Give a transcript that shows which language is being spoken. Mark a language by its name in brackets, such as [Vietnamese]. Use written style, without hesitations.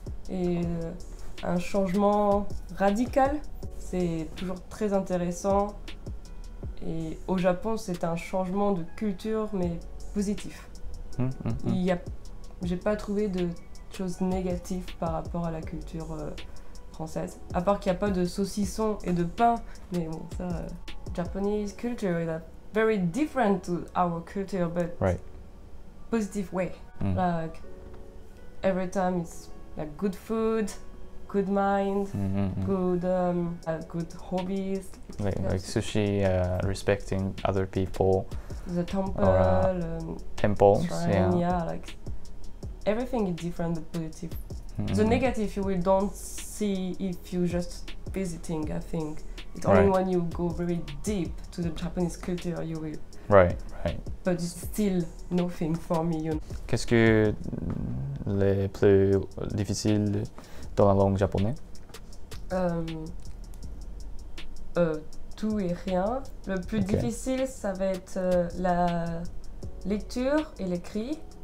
[French] Et un changement radical, c'est toujours très intéressant. Et au Japon, c'est un changement de culture, mais positif. Mmh, mmh. J'ai pas trouvé de choses négatives par rapport à la culture française. À part qu'il n'y a pas de saucisson et de pain. Mais bon, ça, [English] Japanese culture is very different to our culture, but right. positive way. Mmh. Like, every time it's like good food. Good mind, mm-hmm, mm-hmm. Good hobbies. Like sushi, respecting other people. The temple. Or, temples, shrine, yeah. Yeah, like everything is different, the positive. Mm-hmm. The negative you will don't see if you're just visiting, I think. It's only right. when you go very deep to the Japanese culture you will. Right, right. But it's still nothing for me. You know? [French] Qu'est-ce que le plus difficile dans la langue japonaise? Tout et rien. Le plus okay. difficile, ça va être la lecture et l'écrit.